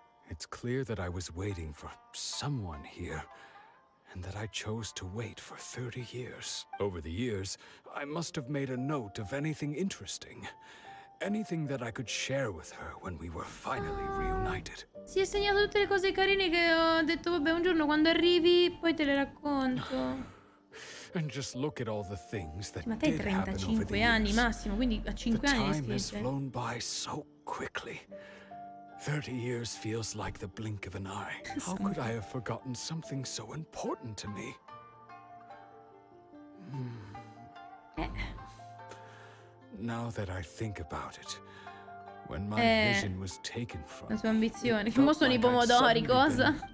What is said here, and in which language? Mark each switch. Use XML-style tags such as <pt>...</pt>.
<en>It's clear that I was waiting for someone here, and that I chose to wait for 30 years. Over the years, I must have made a note of anything interesting. Anything that I could share with her when we were finally reunited.</en> <it>Si è segnato tutte le cose carine che ho detto, vabbè, un giorno quando arrivi, poi te le racconto.</it> <en>And just look at all the things that</en> <it>ma te hai 35 anni massimo, quindi a 5 anni è scritto.</it> <en>The time has flown by so quickly. 30 years feels like the blink of an eye. How could I have forgotten something so important to me? Now that I think about it, when my vision was taken from</en> <it>la sua ambizione, che mo sono i pomodori, cosa?</it>